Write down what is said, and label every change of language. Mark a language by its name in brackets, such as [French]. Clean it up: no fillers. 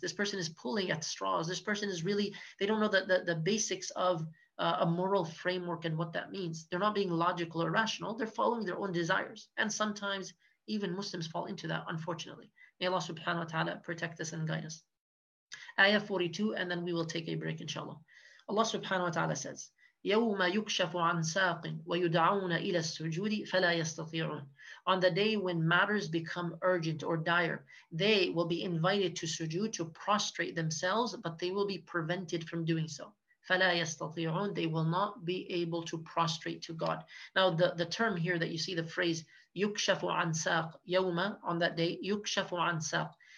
[English] This person is pulling at straws. This person is really, they don't know the basics of a moral framework and what that means. They're not being logical or rational. They're following their own desires. And sometimes even Muslims fall into that, unfortunately. May Allah subhanahu wa ta'ala protect us and guide us. Ayah 42, and then we will take a break, inshallah. Allah subhanahu wa ta'ala says, [Arabic] يَوْمَ يُكْشَفُ عَنْ سَاقٍ وَيُدْعَوْنَ إِلَى السُّجُودِ فَلَا يَسْتَطِيعُونَ. [English] On the day when matters become urgent or dire, they will be invited to sujood, to prostrate themselves, but they will be prevented from doing so. [Arabic] فَلَا يَسْتَطِيعُونَ. [English] They will not be able to prostrate to God. Now, the term here that you see, the phrase, [Arabic] يُكْشَفُ عَنْ سَاقٍ, [English] يَوْمَ, on that day, يُكْشَفُ عَنْ سَاقٍ.